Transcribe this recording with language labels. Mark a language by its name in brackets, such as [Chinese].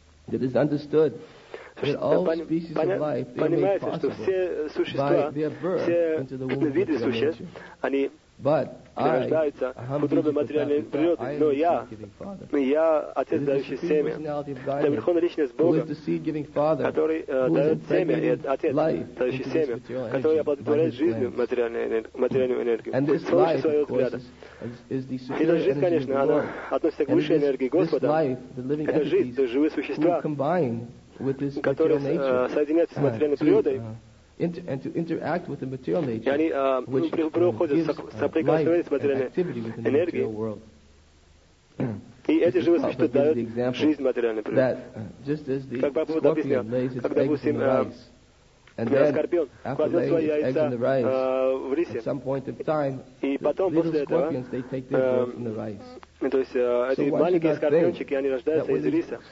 [English] It is understood that all species of life are made possible by their birth into the womb of the [Russian] But рождаются в утробе материальной природы, но я отец, дающий семя, это верховная личность Бога, который дает семя, и это отец, дающий семя, который оплодотворяет жизнью материальную энергию, с помощью своего взгляда. И эта жизнь, конечно, она относится к высшей энергии Господа. Это жизнь, то есть живые существа, которые соединяются с материальной природой, [English] and to interact with the material nature, yani, which gives life and activity within the material world. [Russian] И эти живые существа дают жизнь материальной природе. Как Прабхупада объяснял, как, допустим, скорпион кладет свои яйца в рисе, и потом, после этого, то есть эти маленькие скорпиончики, они рождаются из риса.